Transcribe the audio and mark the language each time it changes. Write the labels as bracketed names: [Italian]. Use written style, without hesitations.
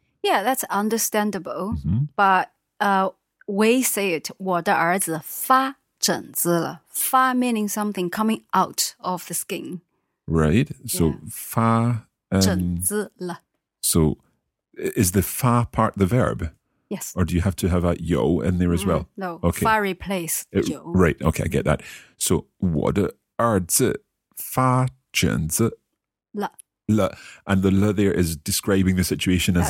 [English] Yeah, that's understandable. Mm-hmm. But we say it [Chinese] 我的儿子发疹子了. [English] Fa meaning something coming out of the skin. Right. So yeah. [Chinese] Fa疹子了. [English] So is the fa part the verb? Yes. Or do you have to have a yo in there as well? No. Okay. Fa replace yo. Right. Okay, I get that. [Chinese] So 我的儿子发疹子了. [English] Le, and the le there is describing the situation as